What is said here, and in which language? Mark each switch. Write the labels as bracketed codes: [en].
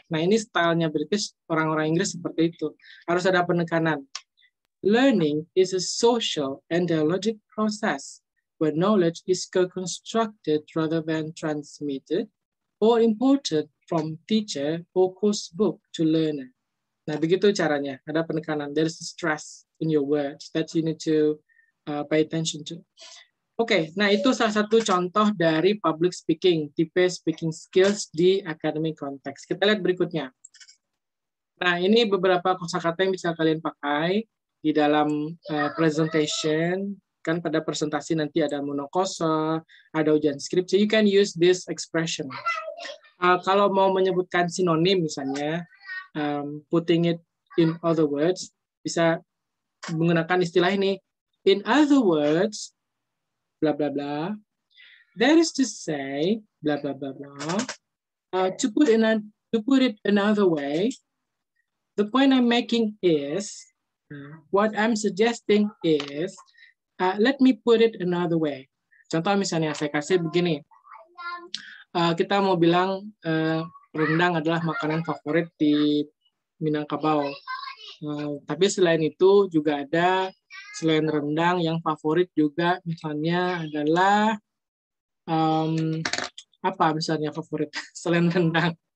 [id] Nah, ini stylenya British, orang-orang Inggris seperti itu. Harus ada penekanan. [en] Learning is a social and dialogic process where knowledge is co-constructed rather than transmitted or imported from teacher or course book to learner. [id] Nah, begitu caranya. Ada penekanan. [en] There is a stress in your words that you need to pay attention to. [id] Oke, nah itu salah satu contoh dari public speaking, tipe speaking skills di academic context. Kita lihat berikutnya. Nah, ini beberapa kosakata yang bisa kalian pakai di dalam presentation. Kan pada presentasi nanti ada monokosa, ada ujian skripsi. [en] You can use this expression. [id] Kalau mau menyebutkan sinonim misalnya, [en] putting it in other words, [id] bisa menggunakan istilah ini. [en] In other words, blah blah blah. That is to say, blah blah blah blah. To put it another way, the point I'm making is, what I'm suggesting is, let me put it another way. [id] Contoh misalnya saya kasih begini. Kita mau bilang rendang adalah makanan favorit di Minangkabau. Tapi selain itu juga ada. Selain rendang, yang favorit juga misalnya adalah apa misalnya favorit selain rendang?